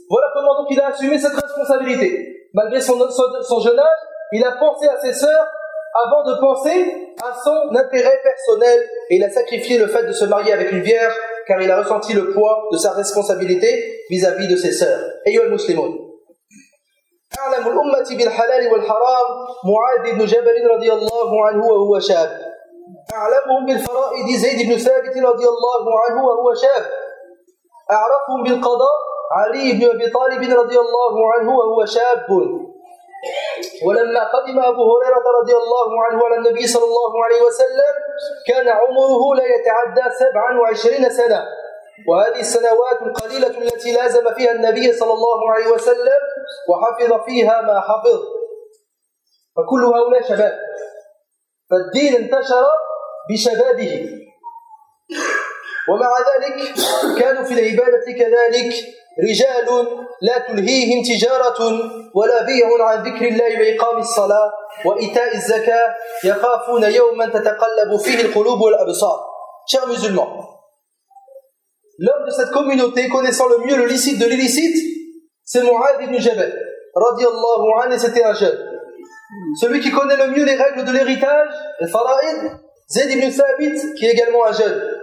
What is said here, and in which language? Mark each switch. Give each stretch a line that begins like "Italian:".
French: Voilà comment donc il a assumé cette responsabilité. Malgré son jeune âge, il a pensé à ses sœurs avant de penser à son intérêt personnel, et il a sacrifié le fait de se marier avec une vierge car il a ressenti le poids de sa responsabilité vis-à-vis de ses sœurs.
Arabic: Ayyuhal muslimoun, أعلم الأمة بالحلال والحرام معاذ بن جبل رضي الله عنه وهو شاب، أعلمهم بالفرائض زيد بن ثابت رضي الله عنه وهو شاب، أعرفهم بالقضاء علي بن أبي طالب رضي الله عنه وهو شاب. ولما قدم أبو هريرة رضي الله عنه على النبي صلى الله عليه وسلم كان عمره لا يتعدى 27 سنة، وهذه السنوات القليلة التي لازم فيها النبي صلى الله عليه وسلم وحفظ فيها ما حفظ، فكل هؤلاء شباب، فالدين انتشر بشبابه، ومع ذلك كانوا في العبادة كذلك رجال لا تلهيهم تجارة ولا بيع عن ذكر الله وإقام الصلاة وإيتاء الزكاة، يخافون يوما تتقلب فيه القلوب والأبصار.
French: chers musulmans, l'homme de cette communauté connaissant le mieux le licite de l'illicite, c'est Mu'adh ibn Jabal,
Arabic: radiallahu anhu,
French: et c'était un jeune. Celui qui connaît le mieux les règles de l'héritage, les fara'id, Zayd ibn Thabit, qui est également un jeune.